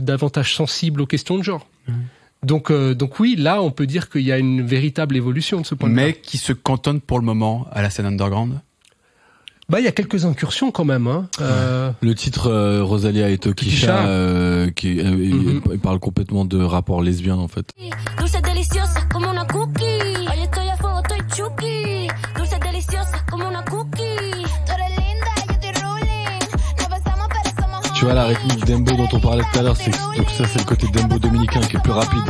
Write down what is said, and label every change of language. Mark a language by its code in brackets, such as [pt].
[fr] Davantage sensibles aux questions de genre. Mmh. Donc oui, là, on peut dire qu'il y a une véritable évolution de ce point de vue. Mais qui se cantonne pour le moment à la scène underground. Bah, il y a quelques incursions quand même. Hein. Le titre Rosalia et Tokisha, qui mm-hmm. parle complètement de rapport lesbien en fait. [es] Dulce deliciosa comme una cookie. Hoy estoy a fuego, estoy chuki. Dulce deliciosa comme una cookie. Tu eres linda, yo te rolling. Nos besamos, pero somos homies. [fr] Tu vois la rythmique dembow dont on parlait tout à l'heure, c'est, donc ça c'est le côté dembow dominicain qui est plus rapide.